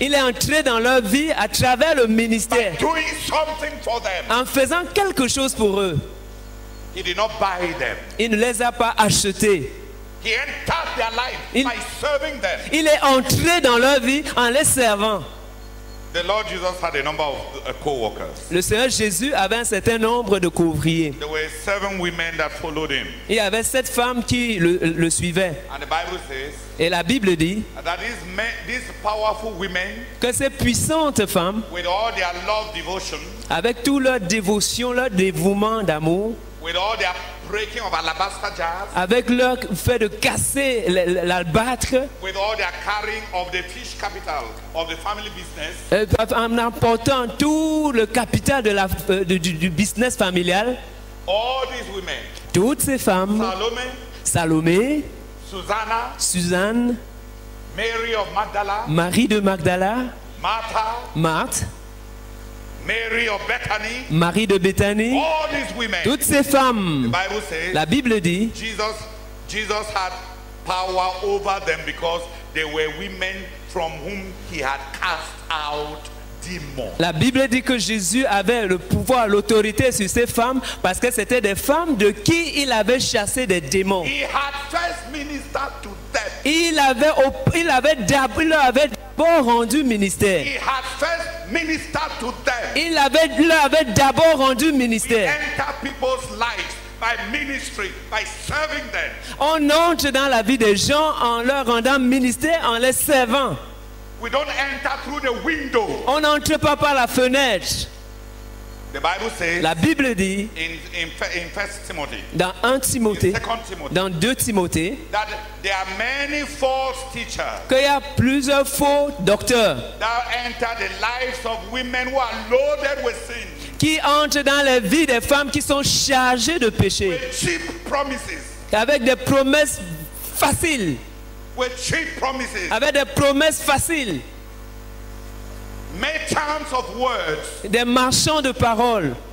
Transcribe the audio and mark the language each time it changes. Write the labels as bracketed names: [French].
[French] Il est entré dans leur vie à travers le ministère. [English] By doing something for them. [French] En faisant quelque chose pour eux. [English] He did not buy them. [French] Il ne les a pas achetés. [English] He entered their life by serving them. [French] Il est entré dans leur vie en les servant. [English] The Lord Jesus had a number of co-workers. [French] Le Seigneur Jésus avait un certain nombre de co-ouvriers. [English] There were seven women that followed him. [French] Il y avait sept femmes qui le suivaient. [English] And the Bible says, [French] et la Bible dit [English] that these powerful women, [French] que ces puissantes femmes, [English] with all their love, devotion, [French] avec toute leur dévotion, leur dévouement d'amour, [English] with all their breaking of alabaster jars, [French] avec leur fait de casser l'albâtre, [English] with all their carrying of the fish capital of the family business, [French] en emportant tout le capital de du business familial, [English] all these women, [French] toutes ces femmes, Salomé, Suzanne, [English] Mary of Magdala, [French] Marie de Magdala, [English] Martha. Mary of Bethany, [French] Marie de Bethany, [English] all these women, [French] toutes ces femmes, [English] the Bible says, [French] la Bible dit, [English] Jesus had power over them because they were women from whom he had cast out demons. [French] La Bible dit que Jésus avait le pouvoir, l'autorité sur ces femmes parce que c'était des femmes de qui il avait chassé des démons. [English] He had first ministered to them. [French] Il avait d'abord rendu ministère. [English] He had first ministered to them. [French] Il avait d'abord rendu ministère. [English] He entered people's lives by ministry, by serving them. [French] On entre dans la vie des gens en leur rendant ministère, en les servant. [English] We don't enter through the window. [French] On n'entre pas par la fenêtre. [English] The Bible says, [French] la Bible dit [English] in First Timothy, [French] dans 1 Timothée, dans 2 Timothée, [English] that there are many false teachers, [French] qu'il y a plusieurs faux docteurs [English] that enter the lives of women who are loaded with sin, [French] qui entrent dans les vies des femmes qui sont chargées de péché, [English] with cheap promises, [French] avec des promesses faciles, [English] with cheap promises, [French] avec des promesses faciles. [English] Merchants of words. [French] Des marchands de paroles.